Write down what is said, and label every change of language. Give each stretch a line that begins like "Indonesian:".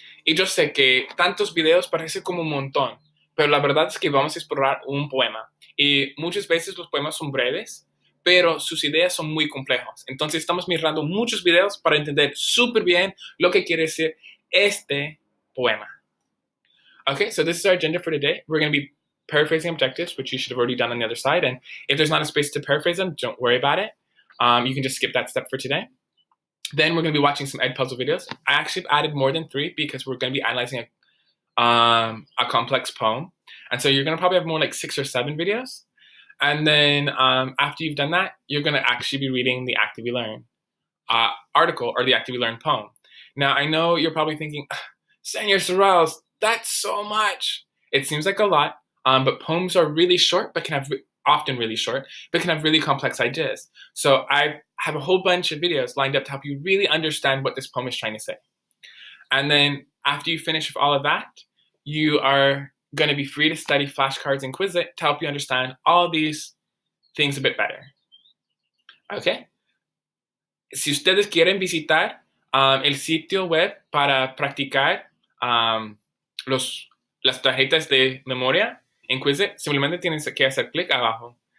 Spanish: Y yo sé que tantos videos parece como un montón, pero la verdad es que vamos a explorar un poema. Y muchas veces los poemas son breves, pero sus ideas son muy complejas. Entonces estamos mirando muchos videos para entender súper bien lo que quiere decir este poema.
English: Okay, so this is our agenda for today. We're going to be paraphrasing objectives, which you should have already done on the other side. And if there's not a space to paraphrase them, don't worry about it. You can just skip that step for today. Then we're going to be watching some Edpuzzle videos. I actually have added more than 3 because we're going to be analyzing a complex poem. And so you're going to probably have more like 6 or 7 videos. And then after you've done that, you're going to actually be reading the Active Learn article or the Active Learn poem. Now, I know you're probably thinking, Senor Sorrells, that's so much. It seems like a lot, but poems are really short, but can have often really short, but can have really complex ideas. So I have a whole bunch of videos lined up to help you really understand what this poem is trying to say. And then after you finish with all of that, you are going to be free to study flashcards and Quizlet to help you understand all these things a bit better. Okay?
Spanish: Si ustedes quieren visitar el sitio web para practicar las tarjetas de memoria, en Quizlet, simplemente tienen que hacer clic abajo.